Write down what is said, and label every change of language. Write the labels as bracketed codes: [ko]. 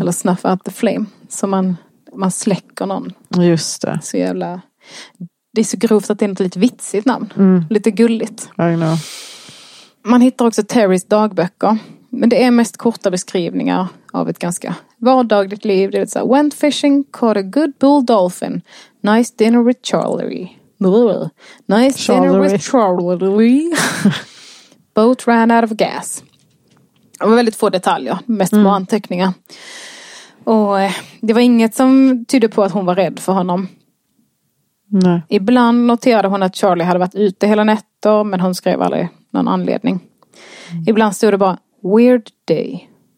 [sv] Eller [en] snuff out the flame. [sv] Så man släcker någon. Just det. Så jävla... Det är så grovt att det är något lite vitsigt namn. Mm. Lite gulligt. [en] I know. [sv] Man hittar också Terrys dagböcker. Men det är mest korta beskrivningar av ett ganska vardagligt liv. Det vill säga, [en] went fishing, caught a good bull dolphin. Nice dinner with Charlie. Nice dinner with Charlie. Boat ran out of gas. [sv] Det var väldigt få detaljer. Mest små anteckningar. Och det var inget som tydde på att hon var rädd för honom. Nej. Ibland noterade hon att Charlie hade varit ute hela nätter, men hon skrev aldrig någon anledning. Mm. Ibland stod det bara [en] weird day.